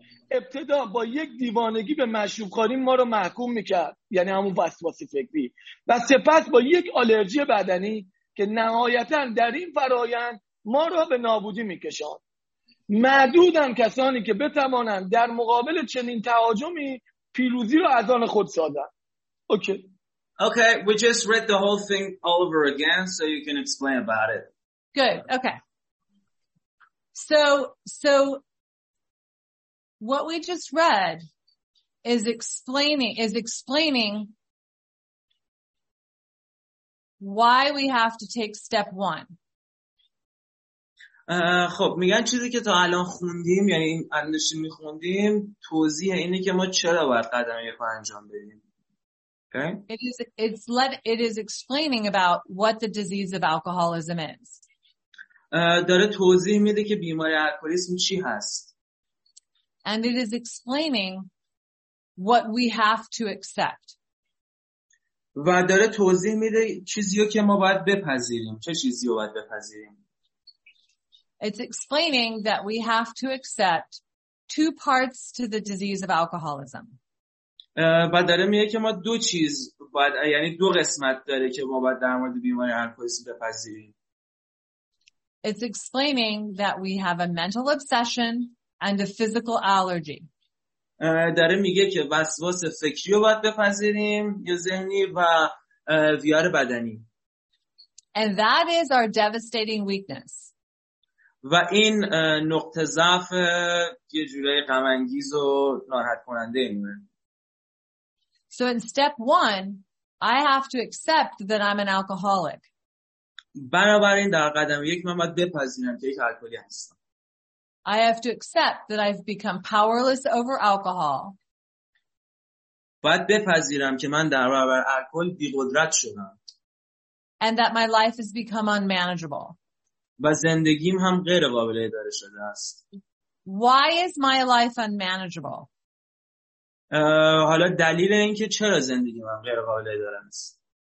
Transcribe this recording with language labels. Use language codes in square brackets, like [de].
[fa] ابتدا با یک دیوانگی به مشروبخواری ما رو محکوم میکرد، یعنی همون وسواس فکری، و سپس با یک آلرژی بدنی که نهایتاً در این فرایند ما را به نابودی میکشاند. معدودن کسانی که بتوانند در مقابل چنین تهاجمی پیروزی را از آن خود سازند. [en] Okay, we just read the whole thing all over again so you can explain about it. Good. Okay. So what we just read is explaining why we have to take step one. [fa] خب میگن چیزی که تا الان خوندیم، یعنی این اندیشه میخوندیم، توضیح اینه که ما چرا باید قدم یک رو انجام بدیم. [en] Okay? It is explaining about what the disease of alcoholism is. [fa] داره توضیح میده که بیماری الکلیسم چی هست. [en] And it is explaining what we have to accept. [fa] و داره توضیح میده چیزیو که ما باید بپذیریم. چه چیزیو باید بپذیریم؟ [en] It's explaining that we have to accept two parts to the disease of alcoholism. [fa] بدره میگه که ما دو چیز باید، یعنی دو قسمت داره که ما باید در مورد بیماری الکلیسم بپذیریم. [en] It's explaining that we have a mental obsession and a physical allergy. [fa] داره میگه که وسواس فکری رو باید بپذیریم، یه ذهنی و ویار بدنی. [en] And that is our devastating weakness. [fa] و این نقطه ضعف یه جوره غم انگیز و ناراحت کننده اینه. [en] So in step one, I have to accept that I'm an alcoholic. [fa] بنابراین در قدم یک من باید بپذیرم که یک الکلی هستم. [en] I have to accept that I've become powerless over alcohol. [fa] باید بپذیرم که من در برابر الکل بی‌قدرت شدم. [en] And that my life has become unmanageable. [fa] و زندگیم هم غیر قابل اداره شده است. [en] Why is my life unmanageable? [fa] حالا دلیل این که چرا زندگی من غیر قابل اداره است.